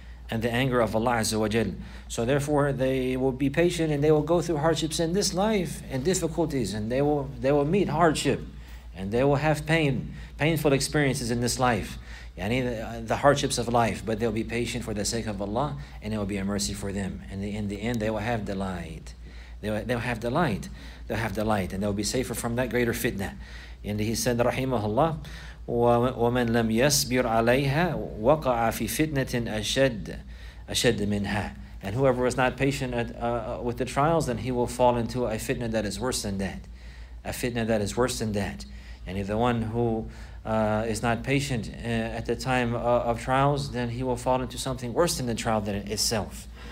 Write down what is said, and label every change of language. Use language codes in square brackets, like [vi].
[en] And the anger of Allah Azza wa Jal. So therefore, they will be patient and they will go through hardships in this life and difficulties, and they will meet hardship and they will have pain, painful experiences in this life. Yani, the hardships of life, but they'll be patient for the sake of Allah, and it will be a mercy for them. And in the end, they will have delight. They'll have delight. They'll have delight, and they'll be safer from that greater fitna. And he said, "Rahimahullah, [ar] وَمَنْ لَمْ يَسْبِرْ عَلَيْهَا وَقَعَ فِي فِتْنَةٍ أَشَدْ مِنْهَا." [en] And whoever is not patient with the trials, then he will fall into a fitna that is worse than that. A fitna that is worse than that. And if the one who is not patient at the time of trials, then he will fall into something worse than the trial than itself.